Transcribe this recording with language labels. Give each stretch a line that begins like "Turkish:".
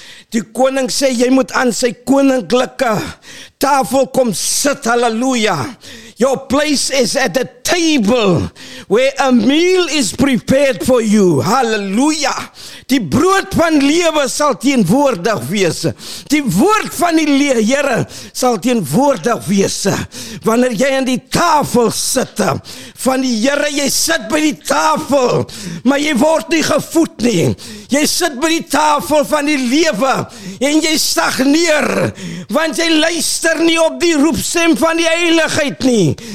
Afrikaans: Die koning sê jy moet aan sy koninklike tafel kom sit. Halleluja.
English: Your place is at the table where a meal is prepared for you.
Afrikaans: Halleluja. Die brood van lewe sal teenwoordig wees. Die woord van die Here sal teenwoordig wees. Wanneer jy aan die tafel sit van die Here, jy sit by die tafel, maar jy word nie gevoed nie. Jy sit by die tafel van die lewe en jy stagneer, want jy luister nie op die roepstem van die heiligheid nie.